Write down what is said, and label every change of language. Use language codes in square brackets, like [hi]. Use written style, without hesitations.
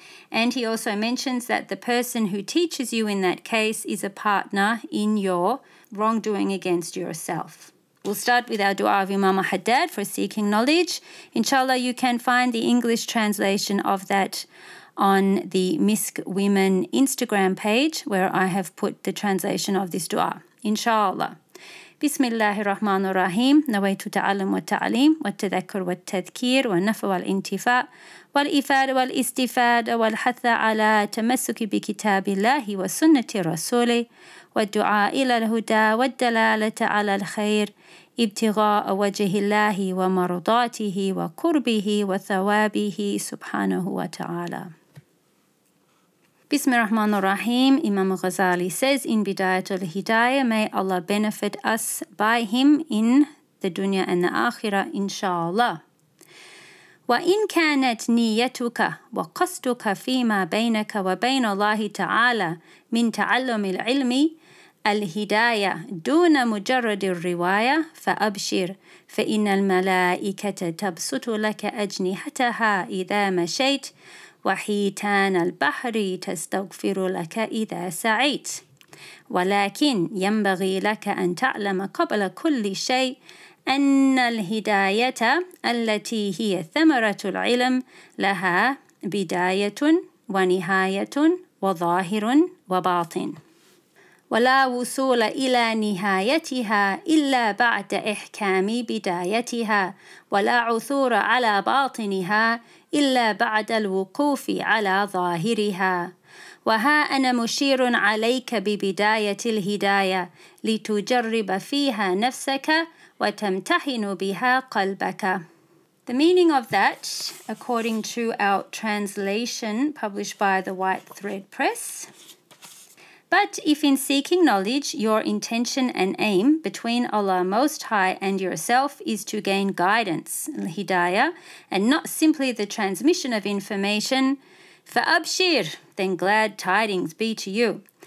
[en] And he also mentions that the person who teaches you in that case is a partner in your wrongdoing against yourself. We'll start with our dua of Imam Haddad for seeking knowledge. Inshallah, you can find the English translation of that on the MISC Women Instagram page where I have put the translation of this dua. Inshallah. [ar] بسم الله الرحمن الرحيم نويت تعلم والتعليم والتذكر والتذكير والنفع والانتفاع والإفادة والاستفادة والحث على تمسك بكتاب الله وسنة رسوله والدعاء إلى الهدى والدلالة على الخير ابتغاء وجه الله ومرضاته وقربه وثوابه سبحانه وتعالى. [en] Bismillah ar-Rahman ar-Rahim, Imam Ghazali says in Bidayatul Hidayah, may Allah benefit us by him in the dunya and the akhirah, inshallah. [ar] وَإِنْ كَانَتْ نِيَّتُكَ وَقَصْدُكَ فِي مَا بَيْنَكَ وَبَيْنَ اللَّهِ تَعَالَى مِنْ تَعَلُّمِ الْعِلْمِ الْهِدَايَةِ دُونَ مُجَرَّدِ الرِّوَايَةِ فَأَبْشِرْ فَإِنَّ الْمَلَائِكَةَ تَبْسُطُ لَكَ أَجْنِحَتَهَا إِذَا مَشَيْتْ وحيتان البحر تستغفر لك إذا سعيت ولكن ينبغي لك أن تعلم قبل كل شيء أن الهداية التي هي ثمرة العلم لها بداية ونهاية وظاهر وباطن ولا وصول إلى نهايتها إلا بعد إحكام بدايتها ولا عثور على باطنها إلا بعد الوقوف على ظاهرها وها أنا مشير عليك ببداية الهداية لتجرب فيها نفسك وتمتحن بها قلبك. [en] The meaning of that, according to our translation published by the White Thread Press, but if in seeking knowledge your intention and aim between Allah Most High and yourself is to gain guidance, al-hidayah, and not simply the transmission of information, fa'abshir, then glad tidings be to you.